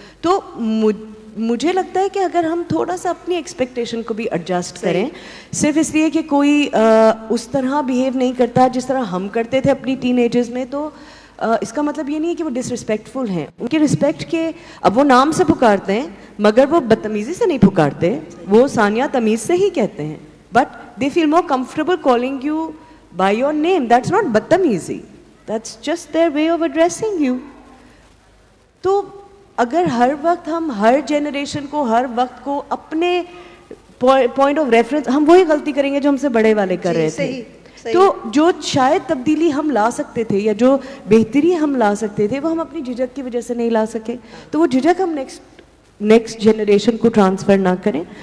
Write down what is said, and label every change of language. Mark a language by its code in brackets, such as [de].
[ur] تو مجھے لگتا ہے کہ اگر ہم تھوڑا سا اپنی ایکسپیکٹیشن کو بھی ایڈجسٹ کریں, صرف اس لیے کہ کوئی اس طرح بیہیو نہیں کرتا جس طرح ہم کرتے تھے اپنی ٹین ایجز میں, تو اس کا مطلب یہ نہیں ہے کہ وہ ڈس رسپیکٹ فل ہیں. ان کے رسپیکٹ کے, اب وہ نام سے پکارتے ہیں مگر وہ بدتمیزی سے نہیں پکارتے, وہ ثانیہ تمیز سے ہی کہتے ہیں, [en] But they feel more comfortable calling you by your name. That's not بدتمیزی, that's just their way of addressing you. [ur] تو اگر ہر وقت ہم ہر جنریشن کو, ہر وقت کو اپنے پوائنٹ آف ریفرنس, ہم وہی غلطی کریں گے جو ہم سے بڑے والے کر رہے تھے. تو جو شاید تبدیلی ہم لا سکتے تھے یا جو بہتری ہم لا سکتے تھے, وہ ہم اپنی جھجک کی وجہ سے نہیں لا سکے, تو وہ جھجک ہم نیکسٹ جنریشن کو ٹرانسفر نہ کریں.